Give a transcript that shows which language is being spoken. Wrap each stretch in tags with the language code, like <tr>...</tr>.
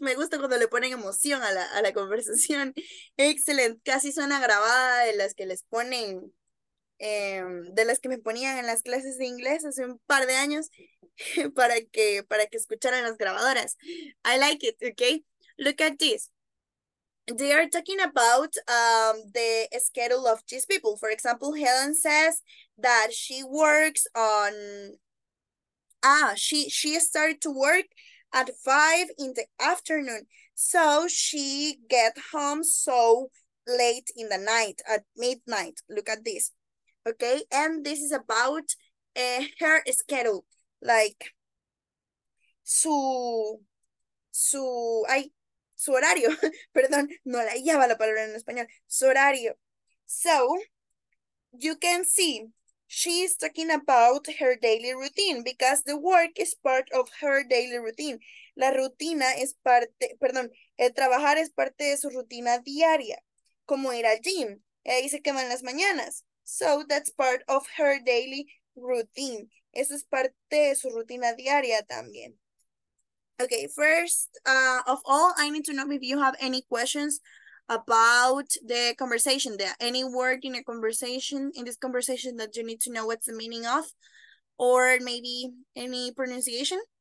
<es>Me gusta cuando le ponen emoción a la conversación.</es> <en>Excellent.</en> <es>Casi suena grabada de las que les ponen, de las que me ponían en las clases de inglés hace un par de años para que escucharan las grabadoras.</es> <en>I like it. Okay. Look at this. They are talking about the schedule of these people. For example, Helen says that she works on... she started to work at 5 in the afternoon, so she get home so late in the night, at midnight. Look at this. Okay, and this is about her schedule, like</en> <es>su horario. Perdón, no la hallaba la palabra en español. Su horario.</es> <en>So, you can see she's talking about her daily routine because the work is part of her daily routine.</en> <es>La rutina es parte, perdón, el trabajar es parte de su rutina diaria, como ir al gym. Ella dice que va en las mañanas.</es> <en>So, that's part of her daily routine.</en> <es>Eso es parte de su rutina diaria también.</es> <en>Okay, first of all, I need to know if you have any questions about the conversation, any word in a conversation, in this conversation that you need to know what's the meaning of, or maybe any pronunciation?</en>